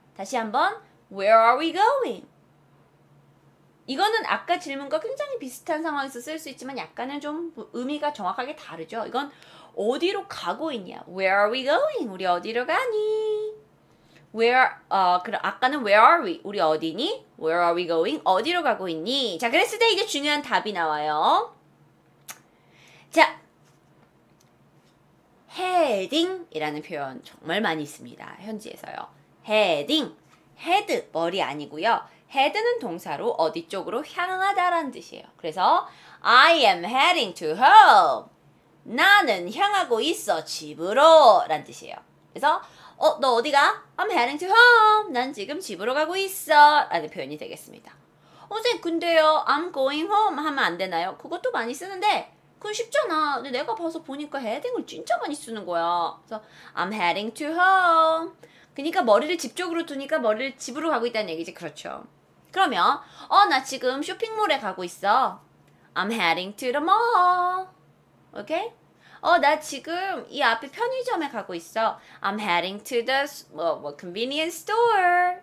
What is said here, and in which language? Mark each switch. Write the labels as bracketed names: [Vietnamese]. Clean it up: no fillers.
[Korean] 다시 한번 [English] Where are we going? [Korean] 이거는 아까 질문과 굉장히 비슷한 상황에서 쓸 수 있지만 약간은 좀 의미가 정확하게 다르죠. 이건 어디로 가고 있냐? [English] Where are we going? [Korean] 우리 어디로 가니? [English] Where [Korean] 아까는 [English] Where are we? [Korean] 우리 어디니? [English] Where are we going? [Korean] 어디로 가고 있니? 자, 그랬을 때 이게 중요한 답이 나와요. 자, heading이라는 표현 정말 많이 있습니다. 현지에서요. heading, head, 머리 아니고요. head는 동사로 어디 쪽으로 향하다라는 뜻이에요. 그래서 [English] I am heading to home. [Korean] 나는 향하고 있어 집으로 라는 뜻이에요. 그래서 너 어디 가? [English] I'm heading to home. [Korean] 난 지금 집으로 가고 있어 라는 표현이 되겠습니다. 선생님 근데요 [English] I'm going home [Korean] 하면 안 되나요? 그것도 많이 쓰는데 그건 쉽잖아. 근데 내가 봐서 보니까 heading을 진짜 많이 쓰는 거야. 그래서 [English] I'm heading to home. [Korean] 그러니까 머리를 집 쪽으로 두니까 머리를 집으로 가고 있다는 얘기지. 그렇죠. 그러면 나 지금 쇼핑몰에 가고 있어. [English] I'm heading to the mall. [Korean] 오케이? 나 지금 이 앞에 편의점에 가고 있어. [English] I'm heading to the convenience store.